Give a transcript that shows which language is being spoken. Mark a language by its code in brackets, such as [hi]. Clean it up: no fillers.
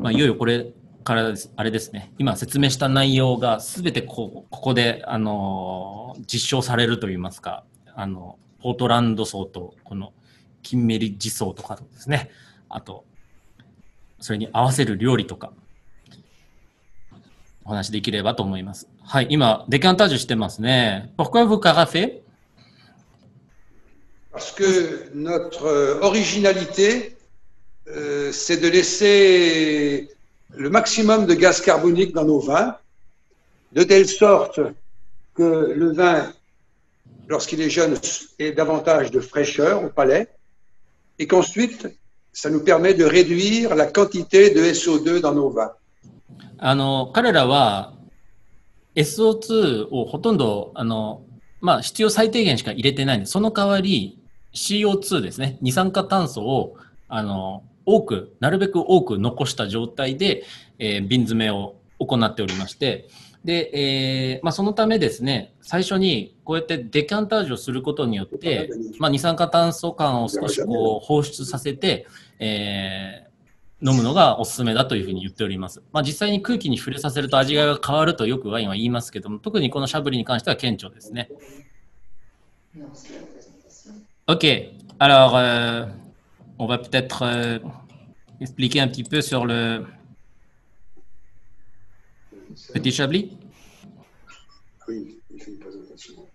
[ja] まあ、いよいよこれからですあれですね、今説明した内容がすべてここで実証されるといいますか、ポートランド層とこのキンメリッジ層とかですね、あとそれに合わせる料理とか。お話できればと思います。はい、今デカンタージュしてますね。 [fr] Pourquoi vous carafez? Parce que notre originalité, c'est de laisser le maximum de gaz carbonique dans nos vins, de telle sorte que le vin, lorsqu'il est jeune, ait davantage de fraîcheur au palais, et qu'ensuite, ça nous permet de réduire la quantité de SO2 dans nos vins. [ja] 彼らは SO2 をほとんど、まあ、必要最低限しか入れてないんで、その代わり CO2 ですね、二酸化炭素を多く、なるべく多く残した状態で、瓶詰めを行っておりまして、で、まあ、そのためですね、最初にこうやってデキャンタージュをすることによって、まあ、二酸化炭素感を少しこう放出させて、飲むのがおすすめだというふうに言っております。まあ、実際に空気に触れさせると味が変わるとよくワインは言いますけども、特にこのシャブリに関しては顕著ですね。 OK. [fr] Alors, on va peut-être expliquer un petit peu sur le petit chablis. Oui, il fait une présentation.